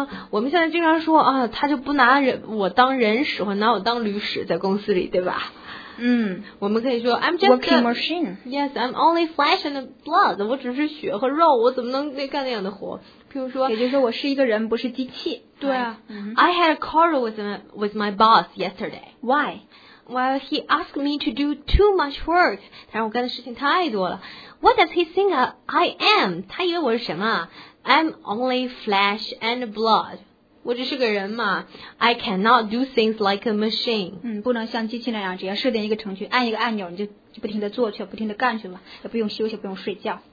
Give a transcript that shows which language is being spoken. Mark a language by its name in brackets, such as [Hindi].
[Chinese] 我们现在经常说啊，他就不拿人我当人使，或拿我当驴使，在公司里，对吧？我们可以说 [English] I'm just working machine. Yes, I'm only flesh and blood. [Chinese] 我只是血和肉，我怎么能干那样的活？比如说，也就是说我是一个人，不是机器。对啊。 [English] I had a quarrel with my boss yesterday. Why? Well, he asked me to do too much work. [Chinese] 他让我干的事情太多了。 [English] What does he think I am? [Chinese] 他以为我是什么？ [English] I'm only flesh and blood. [Chinese] 我只是个人嘛。 [English] I cannot do things like a machine. [Chinese] 不能像机器那样，只要设定一个程序，按一个按钮，你就不停的做去，不停的干去嘛，也不用休息，不用睡觉。